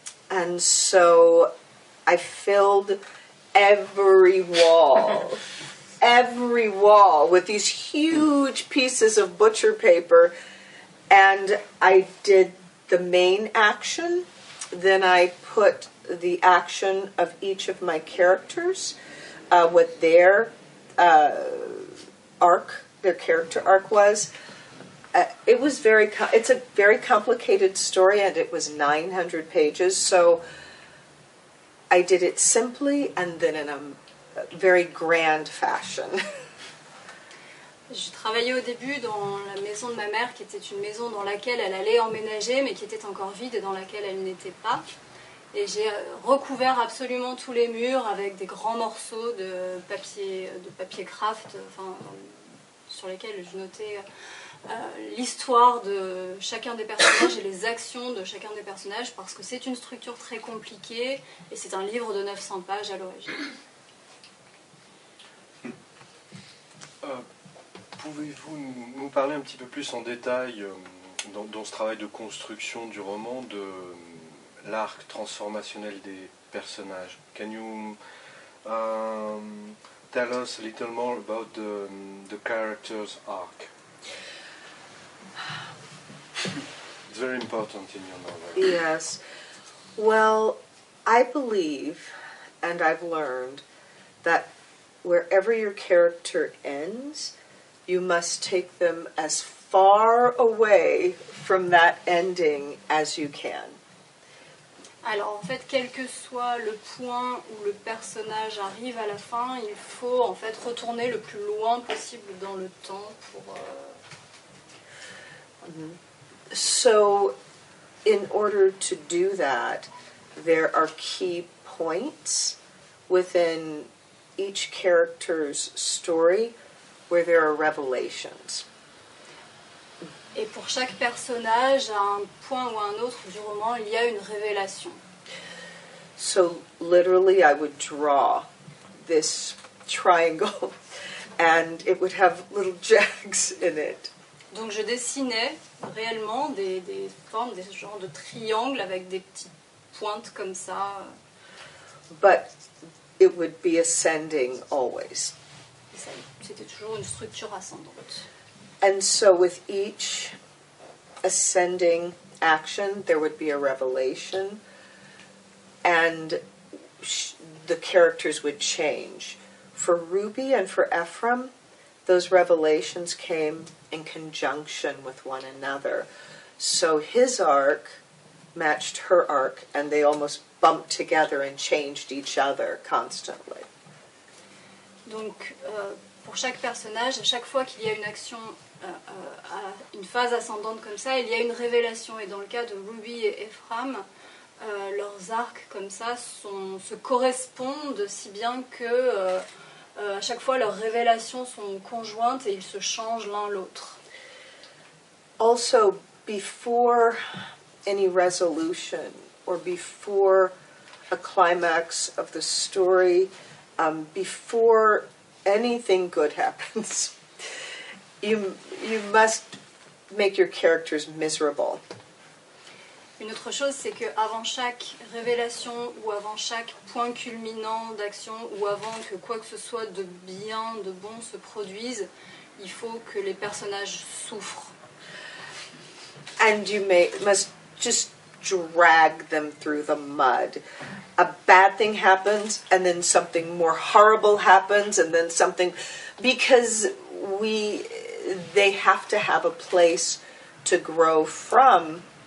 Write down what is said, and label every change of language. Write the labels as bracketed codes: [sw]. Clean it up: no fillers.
[en] And so I filled every wall with these huge pieces of butcher paper, and I did the main action, then I put the action of each of my characters, what their arc, their character arc was. It's a very complicated story, and it was 900 pages, so I did it simply and then in a very grand fashion. [fr] Je travaillais au début dans la maison de ma mère, qui était une maison dans laquelle elle allait emménager, mais qui était encore vide et dans laquelle elle n'était pas. Et j'ai recouvert absolument tous les murs avec des grands morceaux de papier craft, enfin, sur lesquels je notais l'histoire de chacun des personnages et les actions de chacun des personnages, parce que c'est une structure très compliquée et c'est un livre de 900 pages à l'origine. Pouvez-vous nous parler un petit peu plus en détail dans ce travail de construction du roman de l'arc transformationnel des personnages? [en] Can you tell us a little more about the character's arc? It's very important in your novel. Yes. Well, I believe, and I've learned, that wherever your character ends, you must take them as far away from that ending as you can. [fr] Alors, en fait, quel que soit le point où le personnage arrive à la fin, il faut, en fait, retourner le plus loin possible dans le temps pour... Mm-hmm. [en] So, in order to do that, there are key points within each character's story where there are revelations. [fr] Et pour chaque personnage, à un point ou à un autre du roman, il y a une révélation. [en] So literally, I would draw this triangle, and it would have little jags in it. [fr] Donc je dessinais réellement des formes, des genres de triangles avec des petites pointes comme ça. [en] But it would be ascending always. [fr] Ça, c'était toujours une structure ascendante. [en] And so with each ascending action, there would be a revelation, and the characters would change. For Ruby and for Ephraim, those revelations came in conjunction with one another. So his arc matched her arc, and they almost bumped together and changed each other constantly. [fr] Donc, pour chaque personnage, à chaque fois qu'il y a une action, à une phase ascendante comme ça, il y a une révélation. Et dans le cas de Ruby et Ephraim, leurs arcs comme ça se correspondent si bien que à chaque fois leurs révélations sont conjointes et ils se changent l'un l'autre. [en] Also, before any resolution or before a climax of the story, before anything good happens, you must make your characters miserable. [fr] Une autre chose, c'est que avant chaque révélation ou avant chaque point culminant d'action ou avant que quoi que ce soit de bien, de bon se produise, il faut que les personnages souffrent. [en] And you must just drag them through the mud. A bad thing happens, and then something more horrible happens, and then something, because they have to have a place to grow from.